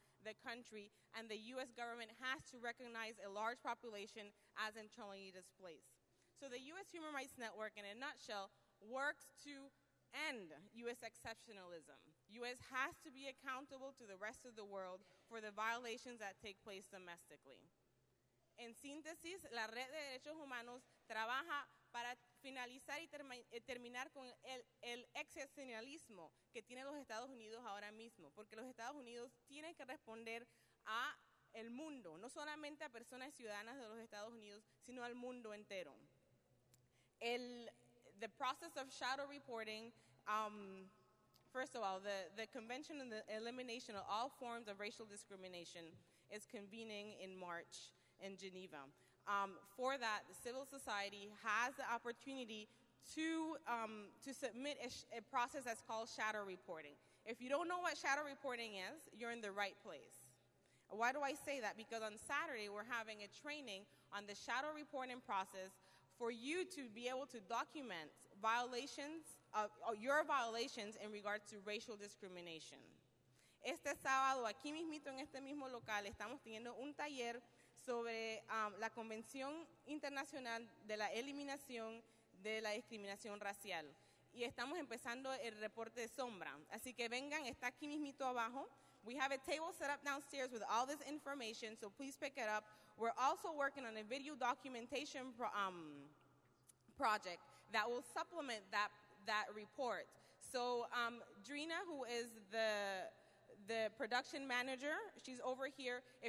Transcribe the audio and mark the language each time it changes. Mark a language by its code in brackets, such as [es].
[en] the country, and the U.S. government has to recognize a large population as internally displaced. So the U.S. Human Rights Network, in a nutshell, works to end U.S. exceptionalism. U.S. has to be accountable to the rest of the world for the violations that take place domestically. [es] En síntesis, la Red de Derechos Humanos trabaja para finalizar y terminar con el excepcionalismo que tiene los Estados Unidos ahora mismo, porque los Estados Unidos tienen que responder a el mundo, no solamente a personas ciudadanas de los Estados Unidos, sino al mundo entero. [en] The process of shadow reporting, first of all, the Convention on the Elimination of All Forms of Racial Discrimination is convening in March in Geneva. For that, the civil society has the opportunity to submit a process that's called shadow reporting. If you don't know what shadow reporting is, you're in the right place. Why do I say that? Because on Saturday, we're having a training on the shadow reporting process for you to be able to document violations of your violations in regards to racial discrimination. [es] Este sábado, aquí mismito, en este mismo local, estamos teniendo un taller sobre la Convención Internacional de la Eliminación de la Discriminación Racial. Y estamos empezando el reporte de sombra. Así que vengan, está aquí mismito abajo. [en] We have a table set up downstairs with all this information, so please pick it up. We're also working on a video documentation project that will supplement that report. So Drina, who is the production manager, she's over here.